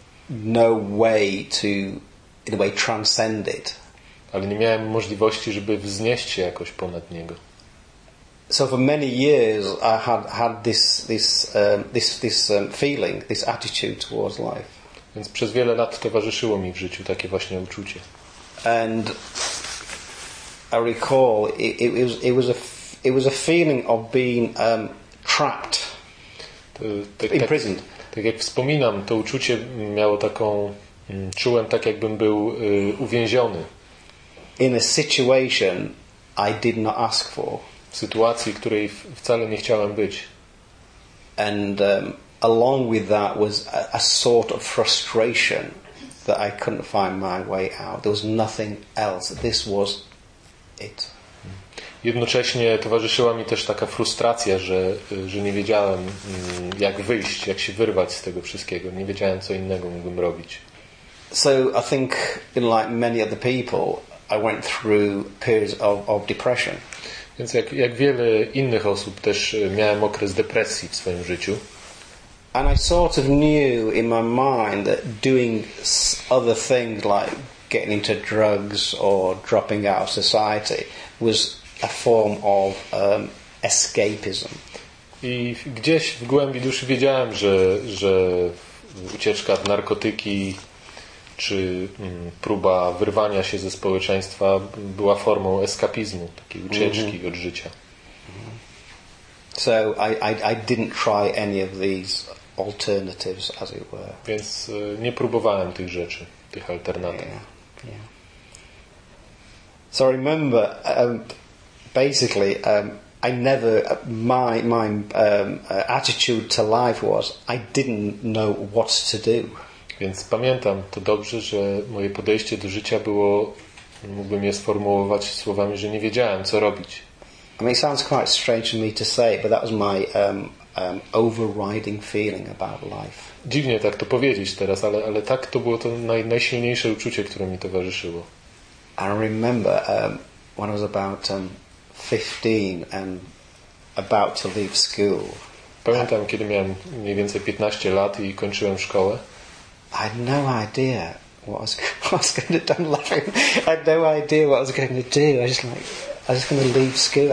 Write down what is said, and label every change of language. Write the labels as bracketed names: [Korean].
[English] No way to, in a way, transcend it. [Polish] Ale nie miałem możliwości, żeby wznieść się jakoś ponad niego. [English] So for many years, I had this feeling, this attitude towards life. [Polish] Więc przez wiele lat towarzyszyło mi w życiu takie właśnie uczucie. [English] And I recall it was a feeling of being trapped, imprisoned. [Polish] Tak jak wspominam, to uczucie miało taką, czułem tak, jakbym był uwięziony. [English] In a situation I did not ask for. [Polish] W sytuacji, której wcale nie chciałem być. [English] And along with that was a sort of frustration that I couldn't find my way out. There was nothing else. This was it. [Polish] Jednocześnie towarzyszyła mi też taka frustracja, że nie wiedziałem, jak wyjść, jak się wyrwać z tego wszystkiego. Nie wiedziałem, co innego mógłbym robić. [English] So I think, like many other people, I went through periods of depression. [Polish] Więc jak wiele innych osób, też miałem okres depresji w swoim życiu. [English] And I sort of knew in my mind that doing other things like getting into drugs or dropping out of society was a form of escapism. [Polish] I gdzieś w głębi duszy wiedziałem, że ucieczka w narkotyki czy próba wyrwania się ze społeczeństwa była formą eskapizmu, takiej ucieczki mm-hmm. od życia. Mm-hmm. [English] So I didn't try any of these alternatives, as it were. [Polish] Więc nie próbowałem tych rzeczy, tych alternatyw. Yeah. Yeah. [English] So I remember basically I never my attitude to life was I didn't know what to do. [Polish] Więc pamiętam to dobrze, że moje podejście do życia było, mógłbym je sformułować słowami, że nie wiedziałem, co robić. [English] I mean, it sounds quite strange for me to say, but that was my overriding feeling about life. [Polish] Dziwnie tak to powiedzieć teraz, ale tak to było to najsilniejsze uczucie, które mi towarzyszyło. [English] I remember when I was about 15 and about to leave school. [Polish] Pamiętam, kiedy miałem mniej więcej 15 lat i kończyłem szkołę. [English] I had no idea what I was going to do. I'm laughing. I had no idea what I was going to do. I was just going to leave school.